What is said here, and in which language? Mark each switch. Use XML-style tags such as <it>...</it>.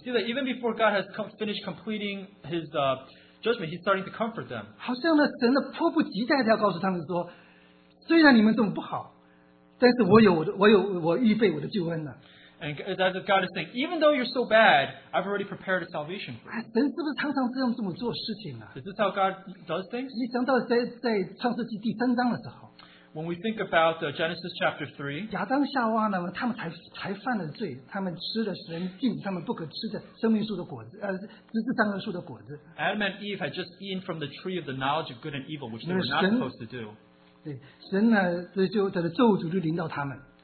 <en>we see that even before God has finished completing his judgment, he's starting to comfort them.</en> <zh>好像呢,神迫不及待地要告诉他们说, 虽然你们这么不好，但是我有我的，我有我预备我的救恩了。</zh> <en>And as God is saying, even though you're so bad, I've already prepared a salvation for you.</en> <zh>神是不是常常这样这么做事情啊？</zh> <en>Is this how God does things?</en> <zh>你想到在创世纪第三章的时候。</zh> <en>When we think about Genesis chapter 3,</en> <zh>亚当夏娃呢，他们才犯了罪，他们吃了神禁他们不可吃的生命树的果子，知识上的树的果子。</zh> <en>Adam and Eve had just eaten from the tree of the knowledge of good and evil, which they were not supposed to do.</en> <zh>对，神呢，这就他的咒诅就临到他们。</zh>